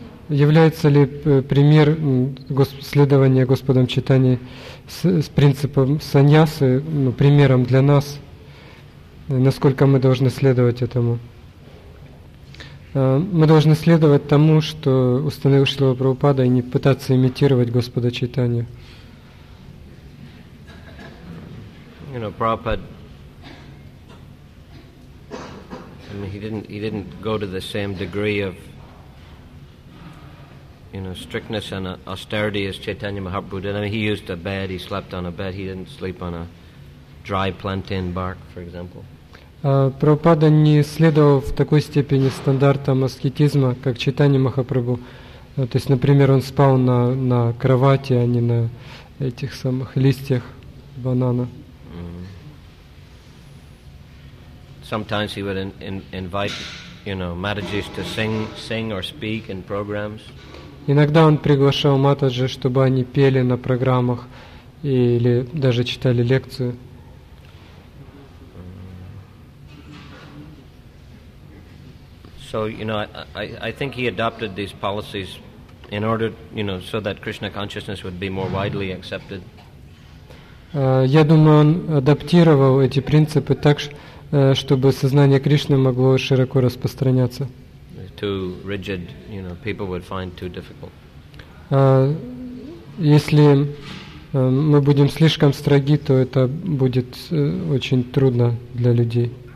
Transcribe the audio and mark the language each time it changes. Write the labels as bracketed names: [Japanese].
[Russian] Является ли пример следования Господом Чайтани с принципом саньясы, ну, примером для нас, насколько мы должны следовать этому? Мы должны следовать тому, что установил Шрила Прабхупада, и не пытаться имитировать Господа Чайтани. [English] You know, Prabhupada, I mean, he didn't go to the same degree of, you know, strictness and austerity as Chaitanya Mahaprabhu did. I mean, he used a bed, he slept on a bed, he didn't sleep on a dry plantain bark, for example. [Russian] Prabhupada не следовал в такой степени стандартам аскетизма, как Чайтанья Махапрабху. То есть, например, он спал на кровати, а не на этих самых листьях банана. [English] Sometimes he would invite, you know, Matajis to sing or speak in programs. [Russian] Иногда он приглашал Матаджи, чтобы они пели на программах или даже читали лекцию. [English] So, you know, I think he adopted these policies in order, you know, so that Krishna consciousness would be more widely accepted. [Russian] Я думаю, он адаптировал эти принципы так, чтобы сознание Кришны могло широко распространяться. [English] Too rigid, you know, people would find too difficult. [Russian] Если мы будем слишком строги, то это будет очень трудно для людей.